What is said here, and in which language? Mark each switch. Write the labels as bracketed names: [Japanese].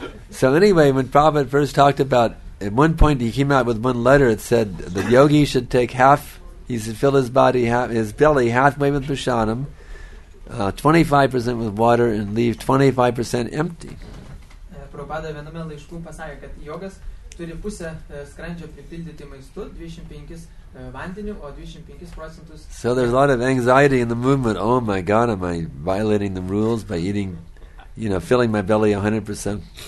[English] So anyway, when Prabhupada first talked about, at one point he came out with one letter, it said the yogi should take half, he should fill his body, half, his belly halfway with prasadam, 25% with water, and leave 25% empty. [Lithuanian] Prabhupada viename laišku pasakė, kad jogas turi pusę skrandžio pripildyti maistu, 25 vandeniu, o 25%. [English] So there's a lot of anxiety in the movement. Oh my God, am I violating the rules by eating, you know, filling my belly 100%?